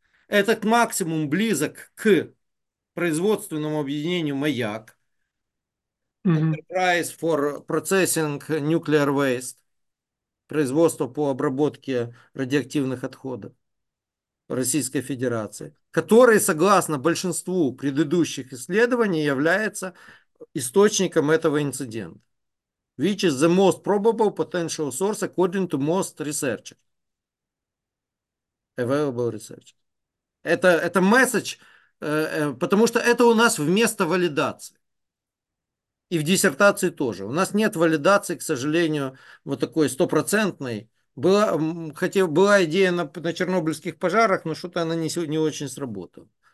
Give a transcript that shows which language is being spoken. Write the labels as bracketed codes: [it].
[ru] Этот максимум близок к производственному объединению маяк, Enterprise for Processing Nuclear Waste, производство по обработке радиоактивных отходов Российской Федерации, который, согласно большинству предыдущих исследований, является источником этого инцидента. [en] Which is the most probable potential source according to most researchers. Available research. [ru] Это месседж, потому что это у нас вместо валидации. И в диссертации тоже. У нас нет валидации, к сожалению, вот такой стопроцентной. Была идея на чернобыльских пожарах, но что-то она не очень сработала.